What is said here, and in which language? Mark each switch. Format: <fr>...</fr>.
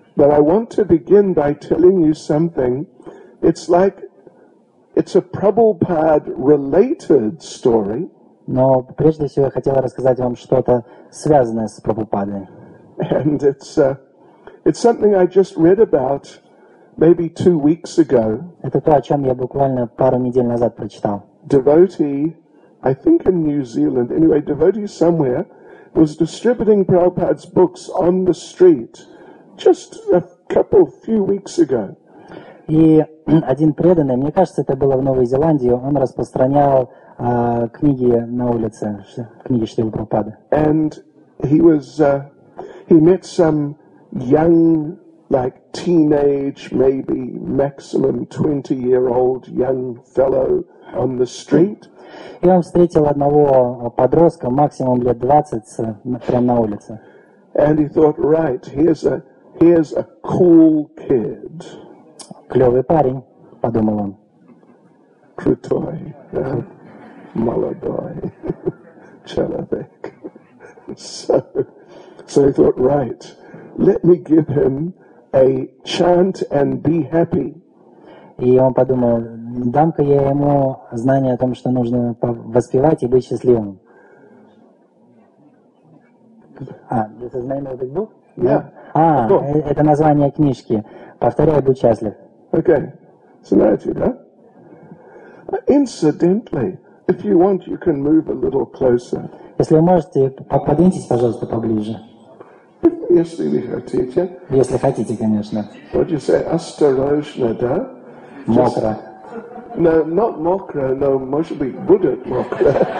<en>But I want to begin by telling you something. It's like, it's a Prabhupada-related story.</en> <ru>Но прежде всего я хотел рассказать вам что-то связанное с Прабхупадой.</ru> <en>And it's something I just read about maybe 2 weeks ago.</en> <ru>Это то, о чем я буквально пару недель назад прочитал.</ru> <en>Devotee, I think in New Zealand, anyway, devotee somewhere was distributing Prabhupada's books on the street just a couple few weeks ago.</en> <ru>И один преданный, мне кажется, это было в Новой Зеландии, он распространял книги на улице, книги Шрилы Прабхупады.</ru> <en>And he met some young, like teenage, maybe maximum 20-year-old young fellow on the street.</en> <ru>И он встретил одного подростка, максимум лет 20, прямо на улице.</ru> <en>And he thought, right, here's a cool kid.</en> <ru>Клёвый парень, подумал он. Крутой, да? Молодой. Человек.</ru> <en>So he thought, right, let me give him a chant and be happy.</en> <ru>И он подумал, дам-ка я ему знание о том, что нужно воспевать и быть счастливым.</ru> <en>This is the name of the book? Yeah.</en> <ru>Это название книжки. Повторяй, будь счастлив. Okay. Знаете, да?</ru> <en>Incidentally, if you want, you can move a little closer.</en> <ru>Если вы можете, подвиньтесь, пожалуйста, поближе. Если вы хотите. Если хотите, конечно.</ru> <en>What you say?</en> <ru>Осторожно, да? Мокро.</ru> <en>No, not</en> <ru>мокро, но может быть будет мокро.</ru>